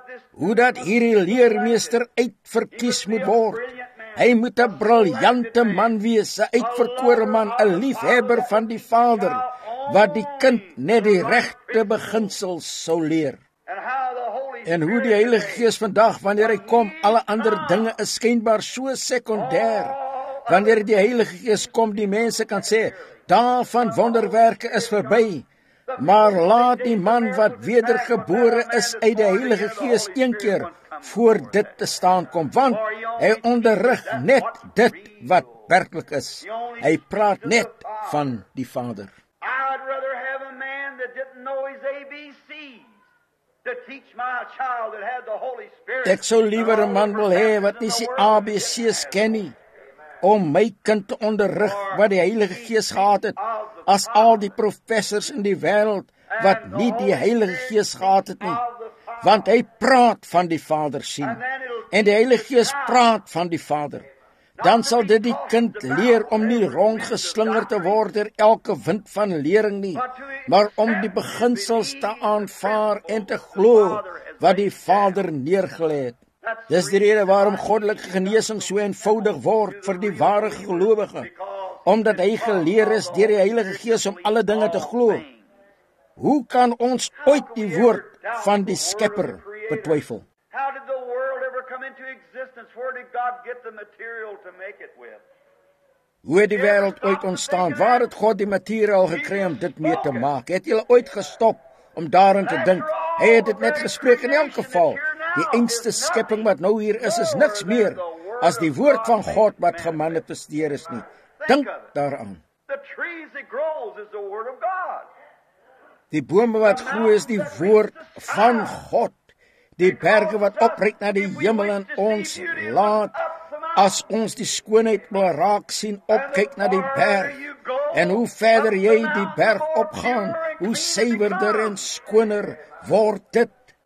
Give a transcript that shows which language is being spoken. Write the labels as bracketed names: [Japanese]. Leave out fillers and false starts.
[Afrikaans] Hoe dat hierdie leermeester uitverkies moet word. Hy moet 'n briljante man wees, 'n uitverkore man, 'n liefhebber van die Vader, wat die kind net die regte beginsels sou leer. En hoe die Heilige Gees vandag, wanneer hy kom, alle ander dinge is skynbaar so sekondêr. Wanneer die Heilige Gees kom, die mense kan sê, daarvan wonderwerke is verby. Maar laat die man wat wedergebore is uit die Heilige Gees een keer voor dit te staan kom, want hy onderrig net dit wat werklik is. Hy praat net van die Vader. [English] I'd rather have a man that didn't know his ABC to teach my child that had the Holy Spirit. [Afrikaans] Ek sou liewer 'n man wil hê wat nie sy ABC's ken nie, om my kind te onderrig wat die Heilige Gees gehad het, as al die professors in die wêreld wat nie die Heilige Gees gehad het nie. Want hy praat van die Vader sien, en die Heilige Gees praat van die Vader. Dan sal dit die kind leer om nie rondgeslinger te word deur elke wind van lering nie, maar om die beginsels te aanvaar en te glo wat die Vader neergelê het. Dis die rede waarom goddelike genesing so eenvoudig word vir die ware gelowige, omdat hy geleer is deur die Heilige Gees om alle dinge te glo. Hoe kan ons ooit die woord van die Skepper betwyfel? [English] How did the world ever come into existence? Where did God get the material to make it with? [Afrikaans] Hoe het die wêreld ooit ontstaan? Waar het God die materiaal gekry om dit mee te maak? Het jy ooit gestop om daarin te dink? Hy het dit net gespreek. In elk geval, die engste skepping wat nou hier is, is niks meer as die woord van God wat gemanifesteer is nie. Dink daaraan. [English] The trees that grows is the word of God. [Afrikaans] Die bome wat groei is die woord van God. Die berge wat opreik na die hemel en ons laat, as ons die skoonheid wil raak sien, opkyk na die berg. En hoe verder jy die berg opgaan, hoe suiwerder en skoner word dit.